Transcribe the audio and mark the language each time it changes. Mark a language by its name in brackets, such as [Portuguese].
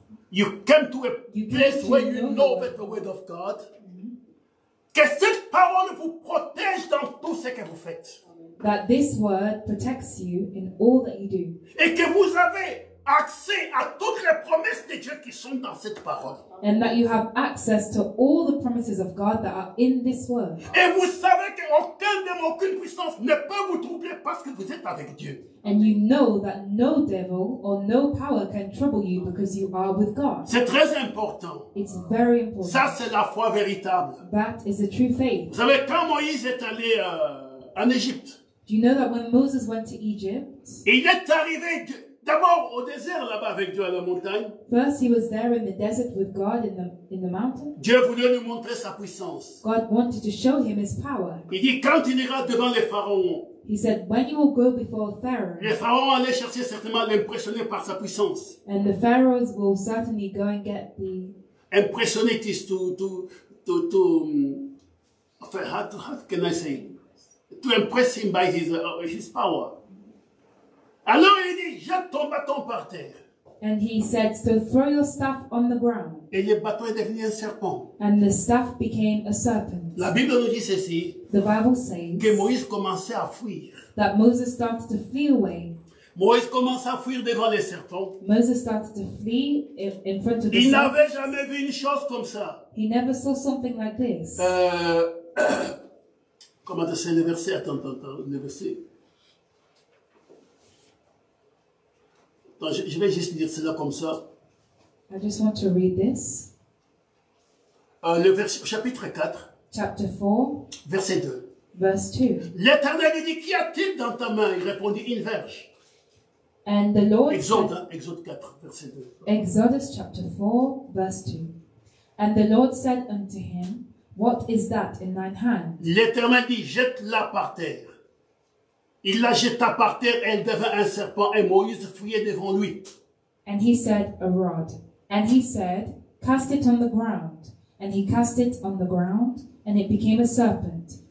[English] you came to a place where you know the word of God. [French] Que cette parole vous protège dans tout ce que vous faites. [English] That this word protects you in all that you do. [French] Et que vous avez accès à toutes les promesses de Dieu qui sont dans cette parole. [English] And that you have access to all the promises of God that are in this word. [French] Et vous savez que aucun démon, aucune puissance ne peut vous troubler parce que vous êtes avec Dieu. [English] And you know that no devil or no power can trouble you because you are with God. [French] C'est très important. [English] It's very important. [French] Ça, c'est la foi véritable. [English] That is the true faith. [French] Vous savez, quand Moïse est allé en Égypte, [English] do you know that when Moses went to Egypt, [French] il est arrivé d'abord au désert là-bas avec Dieu à la montagne. [English] First he was there in the desert with God in the mountain. [French] Dieu voulait lui montrer sa puissance. [English] God wanted to show him his power. [French] Il dit quand il ira devant les pharaons. [English] He said when you will go before Pharaoh. [French] Les pharaons allaient chercher certainement l'impressionner par sa puissance. [English] And the pharaohs will certainly go and get the [French] impressionner [English] to impress him by his power. [French] Alors il dit, jette ton bâton par terre. [English] And he said, so throw your staff on the ground. [French] Et le bâton est devenu un serpent. [English] And the staff became a serpent. [French] La Bible nous dit ceci. [English] The Bible says [French] que Moïse commençait à fuir. [English] That Moses started to flee away. [French] Moïse commence à fuir devant les serpents. [English] Moses started to flee in front of the [French] serpent. Il n'avait jamais vu une chose comme ça. [English] He never saw something like this. [French] Comment est-ce que le verset? Attends, le verset. Je vais juste lire cela comme ça. [English] I just want to read this. [French] Le vers, chapitre 4. [English] Chapter 4. [French] Verset 2. [English] Verse 2. [French] L'Éternel dit, qu'y a-t-il dans ta main? Il répondit, une verge. [English] And the Lord [French] Exode, [English] said, [French] Exode 4, verset 2. [English] Exodus chapter 4, verse 2. And the Lord said unto him, what is that in thine hand? [French] L'Éternel dit, jette-la par terre. Il la jeta par terre et elle devint un serpent et Moïse fuyait devant lui. [English] And he said, a rod. And he said, cast it on the ground. And he cast it on the ground and it became a serpent.